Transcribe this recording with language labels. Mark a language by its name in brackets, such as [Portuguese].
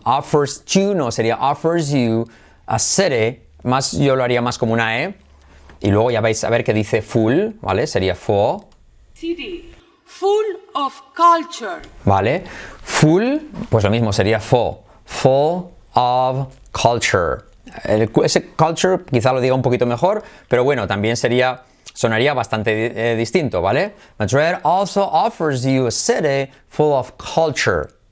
[English] Offers you, [Spanish] no, sería [English] offers you a city. [Spanish] Más, yo lo haría más como una E. Y luego ya vais a ver que dice full, ¿vale? Sería full. [English] City. Full of culture. [Spanish] ¿Vale? Full, pues lo mismo, sería full. [English] Full of culture. [Spanish] Ese culture quizá lo diga un poquito mejor, pero bueno, también sería, sonaría bastante distinto, ¿vale? [English] Madrid also offers you a city full of culture.